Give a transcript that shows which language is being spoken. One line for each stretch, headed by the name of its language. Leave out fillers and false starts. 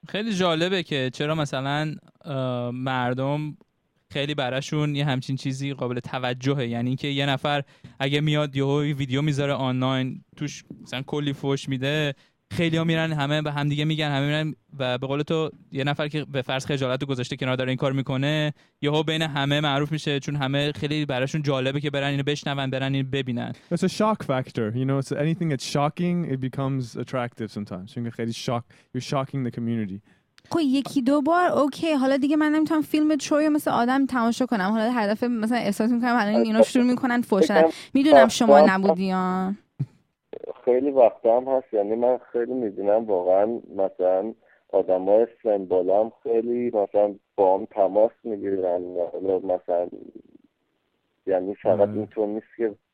Persian: خیلی جالبه که چرا مثلا مردم خیلی براشون یه همچین چیزی قابل توجهه، یعنی که یه نفر اگه میاد یه ویدیو میذاره آنلاین توش مثلا کلی فوش میده، خیلی ها میرن همه به هم دیگه میگن، همه میرن و به قول تو یه نفر که به فرض خجالت گذاشته کنار داره این کار میکنه، یهو بین همه معروف میشه، چون همه خیلی براشون جالبه که برن اینو بشنون، برن اینو ببینن.
English: It's a shock factor, you know, so anything that's shocking it becomes attractive sometimes. You're getting shock, you're shocking the community.
Persian: خب یکی دو بار اوکی، حالا دیگه من نمیتونم فیلم تروی مثل آدم تماشا کنم، حالا هر دفعه مثلا احساس میکنم حالا اینا شروع میکنن فوشن. میدونم شما نبودیان، خیلی وقتا هم هست، یعنی من خیلی میبینم واقعا مثلا آدم های سنبال هم خیلی مثلا با هم تماس میگیرن، مثلا یعنی فقط اینطور نیست که